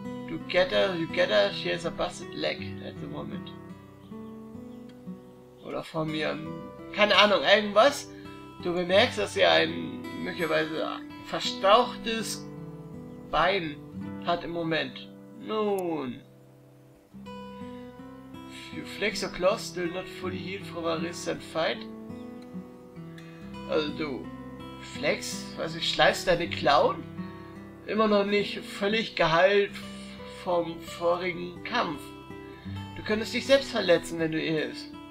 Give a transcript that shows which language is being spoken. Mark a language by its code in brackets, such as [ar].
[en] You get her, she has a busted leg at the moment. [de] Oder von mir, keine Ahnung, irgendwas. Du bemerkst, dass sie ein möglicherweise verstauchtes Bein hat im Moment. Nun. [en] You flex your claws, still not fully healed from a recent fight. [de] Also du, flex, weiß ich, schleifst deine Klauen? Immer noch nicht völlig geheilt vom vorigen Kampf. Du könntest dich selbst verletzen, wenn du ihr hilfst.